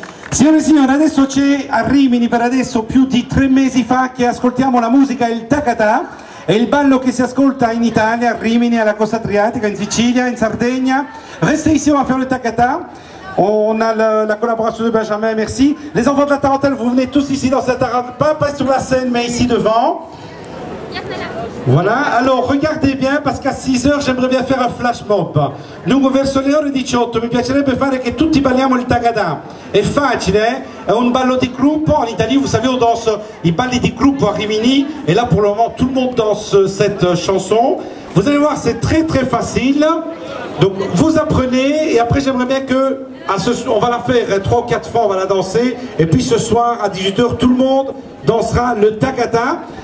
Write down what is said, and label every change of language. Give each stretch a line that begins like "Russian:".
Italian: Signore e signori, adesso c'è a Rimini, per adesso più di 3 mesi fa che ascoltiamo la musica, il tacatà è il ballo che si ascolta in Italia, a Rimini, alla costa adriatica, in Sicilia, in Sardegna.
French: Restez ici, on va faire le tacatà. On a la collaboration de Benjamin, merci. Les enfants de la tarantelle, vous venez tous ici dans cette tarantelle, pas sur la scène, mais ici devant. Voilà, alors regardez bien parce qu'à 6h j'aimerais bien faire un flash mob.
Italian: Dunque verso le ore 18 mi piacerebbe fare che tutti balliamo il tagadà. È facile, eh? È un ballo di gruppo. In Italia,
French: vous savez, on danse
Italian: i balli di gruppo a Rimini.
French: E là pour le moment tout le monde danse cette chanson. Vous allez voir, c'est très très facile. Donc vous apprenez et après j'aimerais bien que on va la faire 3 ou 4 fois, on va la danser. Et puis ce soir à 18h tout le monde dansera le tagadà.